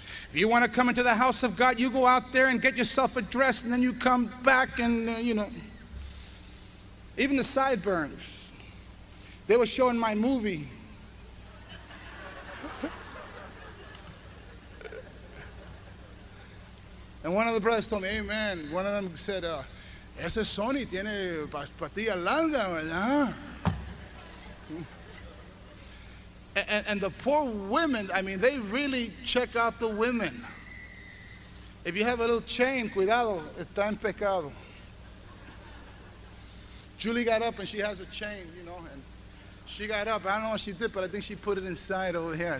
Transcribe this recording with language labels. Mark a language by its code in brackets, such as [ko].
[en] If you want to come into the house of God, you go out there and get yourself addressed, and then you come back and even the sideburns. They were showing my movie. And one of the brothers told me, hey, amen. One of them said, [es] ese Sony tiene patilla larga, ¿verdad? [en] And the poor women, I mean, they really check out the women. If you have a little chain, [es] cuidado, está en pecado. [en] Julie got up and she has a chain, and she got up. I don't know what she did, but I think she put it inside over here.